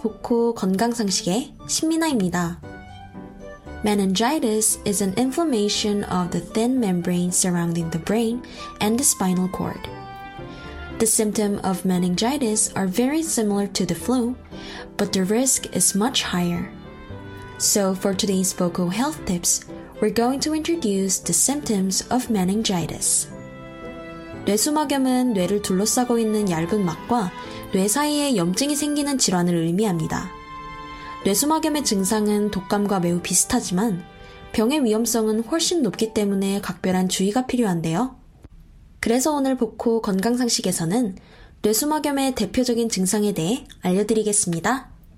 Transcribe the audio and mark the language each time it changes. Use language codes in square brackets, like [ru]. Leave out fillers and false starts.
[ko] 보코 건강 상식의 신미나입니다. [en] Meningitis is an inflammation of the thin membrane surrounding the brain and the spinal cord. The symptoms of meningitis are very similar to the flu, but the risk is much higher. So for today's Boko health tips, we're going to introduce the symptoms of meningitis. [ko] 뇌수막염은 뇌를 둘러싸고 있는 얇은 막과 뇌 사이에 염증이 생기는 질환을 의미합니다. 뇌수막염의 증상은 독감과 매우 비슷하지만 병의 위험성은 훨씬 높기 때문에 각별한 주의가 필요한데요. 그래서 오늘 복호 건강상식에서는 뇌수막염의 대표적인 증상에 대해 알려드리겠습니다.